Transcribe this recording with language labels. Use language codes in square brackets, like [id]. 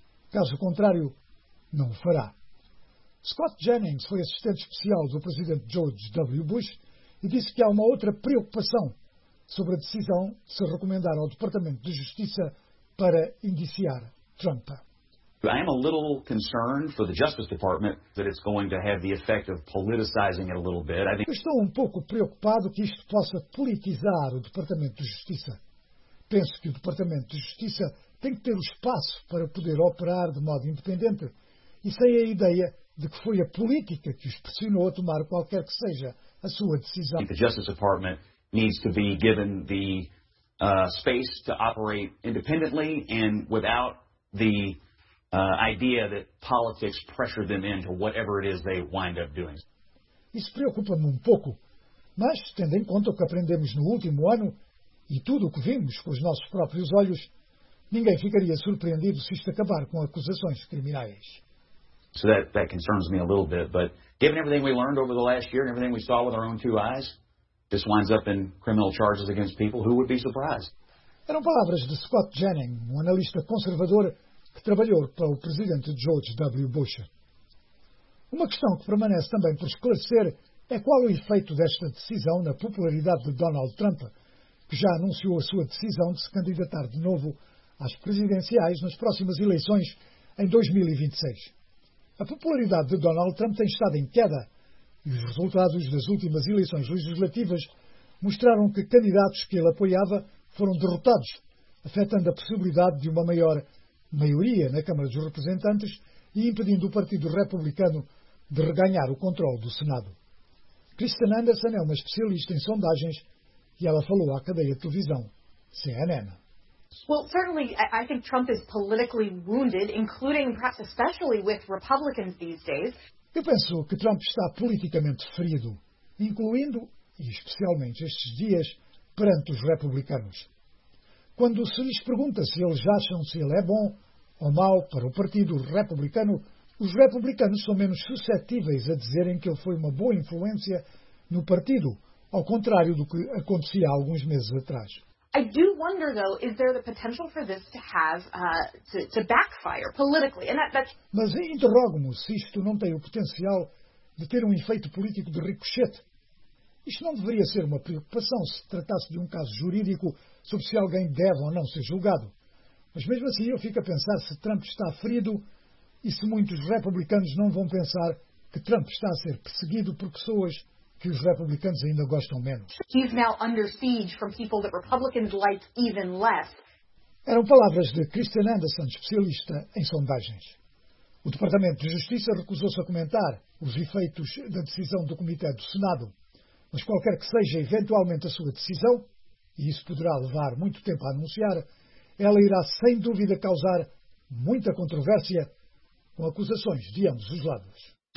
[pt] Caso contrário, não o fará. Scott Jennings foi assistente especial do presidente George W. Bush e disse que há uma outra preocupação sobre a decisão de se recomendar ao Departamento de Justiça para indiciar Trump. [en] I am a little concerned for the Justice Department that it's going to have the effect of politicizing it a little bit. [pt] Eu estou um pouco preocupado que isto possa politizar o Departamento de Justiça. Penso que o Departamento de Justiça tem que ter o espaço para poder operar de modo independente e sem a ideia de que foi a política que os pressionou a tomar qualquer que seja a sua decisão. [en] The Justice Department needs to be given the space to operate independently and without the idea that politics pressure them into whatever it is they wind up doing. [pt] Isso preocupa-me um pouco, mas, tendo em conta o que aprendemos no último ano e tudo o que vimos com os nossos próprios olhos, ninguém ficaria surpreendido se isto acabar com acusações criminais. [en] So that concerns me a little bit, but given everything we learned over the last year and everything we saw with our own two eyes, this winds up in criminal charges against people, who would be surprised? [pt] Eram palavras de Scott Jennings, um analista conservador que trabalhou para o presidente George W. Bush. Uma questão que permanece também por esclarecer é qual o efeito desta decisão na popularidade de Donald Trump, que já anunciou a sua decisão de se candidatar de novo às presidenciais nas próximas eleições em 2026. A popularidade de Donald Trump tem estado em queda e os resultados das últimas eleições legislativas mostraram que candidatos que ele apoiava foram derrotados, afetando a possibilidade de uma maior maioria na Câmara dos Representantes e impedindo o Partido Republicano de reganhar o controle do Senado. Kristen Anderson é uma especialista em sondagens E ela falou à cadeia de televisão, CNN. [en] Well, certainly, I think Trump is politically wounded, including perhaps especially with Republicans these days. [pt] Eu penso que Trump está politicamente ferido, incluindo, e especialmente estes dias, perante os republicanos. Quando se lhes pergunta se eles acham se ele é bom ou mau para o Partido Republicano, os republicanos são menos suscetíveis a dizerem que ele foi uma boa influência no partido, ao contrário do que acontecia há alguns meses atrás. [en] I do wonder, though, is there the potential for this to have to backfire politically? And that's. [pt] Mas interrogo-me se isto não tem o potencial de ter um efeito político de ricochete. Isto não deveria ser uma preocupação se tratasse de um caso jurídico sobre se alguém deve ou não ser julgado. Mas mesmo assim eu fico a pensar se Trump está ferido e se muitos republicanos não vão pensar que Trump está a ser perseguido por pessoas que os republicanos ainda gostam menos. [en] He's now under siege from people that Republicans like even less. [pt] Eram palavras de Christian Anderson, especialista em sondagens. O Departamento de Justiça recusou-se a comentar os efeitos da decisão do Comitê do Senado, mas qualquer que seja eventualmente a sua decisão, e isso poderá levar muito tempo a anunciar, ela irá sem dúvida causar muita controvérsia com acusações de ambos os lados.